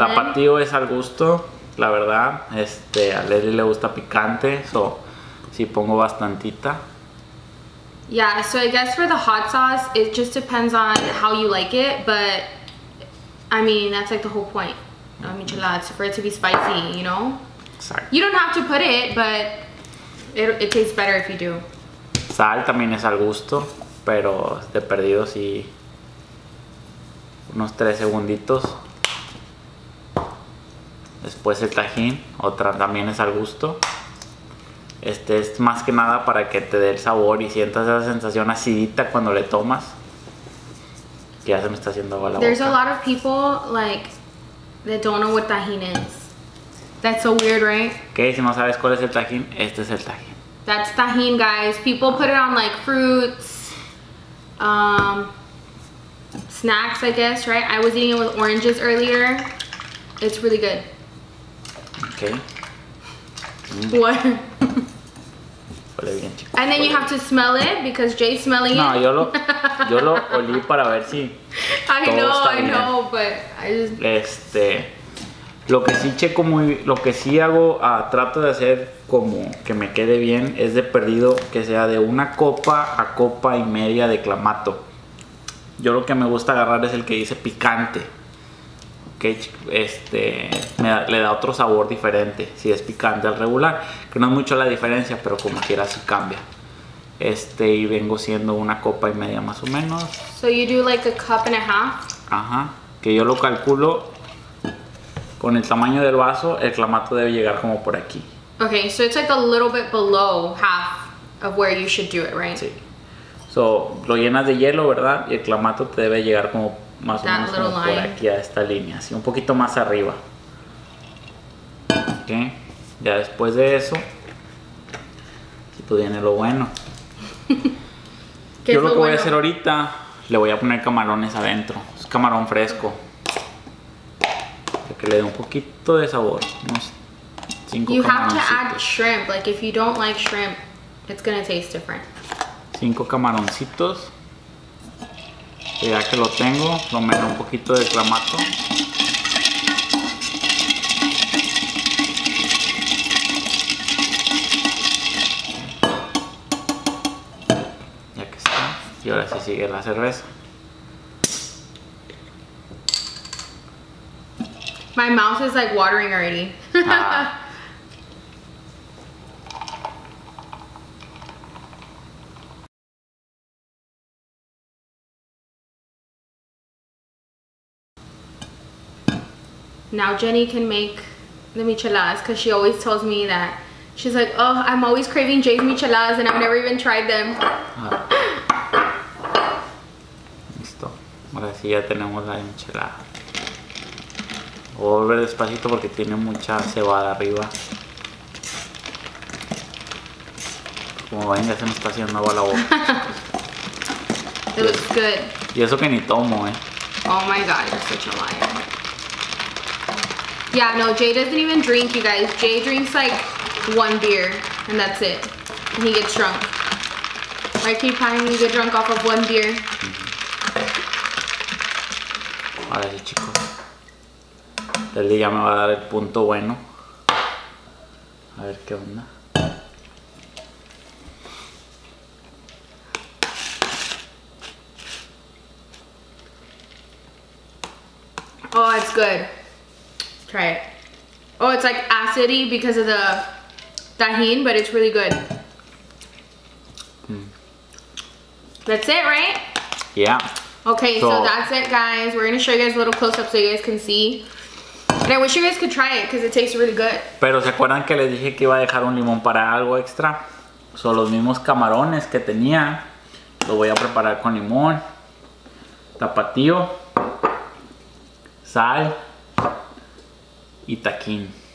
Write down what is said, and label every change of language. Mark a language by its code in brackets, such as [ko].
[es] tapatío es al gusto. La verdad, este, a Leslie le gusta picante, so si pongo bastantita. [en] Yeah, so I guess for the hot sauce, it just depends on how you like it, but I mean, that's like the whole point of micheladas, for it to be spicy, you know? [es] Sal. [en] You don't have to put it, but it tastes better if you do. [es] Sal también es al gusto, pero de perdido sí, unos 3 segunditos. Después el tajín, otra también es al gusto. Este es más que nada para que te dé el sabor y sientas esa sensación acidita cuando le tomas. Que ya se me está haciendo agua la boca. [en] There's a lot of people like that don't know what tajín is. That's so weird, right? [es] ¿Qué? Si no sabes cuál es el tajín, este es el tajín. [en] That's tajín, guys. People put it on like fruits, snacks, I guess, right? I was eating it with oranges earlier. It's really good. Okay. What? And then you have to smell it because Jay's smelling it. [es] No, yo lo olí para ver si. [en] I know, but I just. [es] Este, lo que sí checo muy, lo que sí hago, trato de hacer como que me quede bien, es de perdido que sea de una copa a copa y media de clamato. Yo lo que me gusta agarrar es el que dice picante. Que este, le da otro sabor diferente si es picante al regular, que no es mucho la diferencia, pero como quiera sí cambia. Este, y vengo siendo una copa y media más o menos. [en] So you do like a cup and a half. [es] Ajá, que yo lo calculo con el tamaño del vaso, el clamato debe llegar como por aquí. [en] Okay, so it's like a little bit below half of where you should do it, right? [es] Sí. So lo llenas de hielo, ¿verdad? Y el clamato te debe llegar como más [en] that [es] o menos [en] little line. [es] Por aquí a esta línea, así un poquito más arriba. Ok, ya después de eso, si tú tienes lo bueno. ¿Qué yo es lo que bueno? Voy a hacer ahorita, le voy a poner camarones adentro, es camarón fresco. Para que le dé un poquito de sabor, unos 5 [en] you [es] camaroncitos. [en] You have to add shrimp, like if you don't like shrimp, it's gonna taste different. [es] 5 camaroncitos. Ya que lo tengo, lo meto un poquito de clamato. Ya que está. Y ahora sí sigue la cerveza. [en] My mouth is like watering already. Now Jenny can make the micheladas because she always tells me that. She's like, oh, I'm always craving Jay's micheladas and I've never even tried them. [es] Listo. Ahora sí ya tenemos la michelada. Voy a volver despacito porque tiene mucha cebada arriba. Como ven, ya se me está haciendo agua la boca. [en] It looks good. [es] Y eso que ni tomo, [en] Oh my God, you're such a liar. Yeah, no, Jay doesn't even drink, you guys. Jay drinks like one beer and that's it. And he gets drunk. Right, keep trying to get drunk off of one beer. Mm-hmm. [es] A ver, chicos. Leslie ya me va a dar el punto bueno. A ver qué onda. [en] Oh, it's good. Try it. Oh, it's like acidy because of the tajin, but it's really good. That's it, right? Yeah. Okay, so that's it, guys. We're going to show you guys a little close-up so you guys can see. And I wish you guys could try it because it tastes really good. [es] Pero se acuerdan que les dije que iba a dejar un limón para algo extra? So, los mismos camarones que tenía, lo voy a preparar con limón, tapatío, sal y tajín.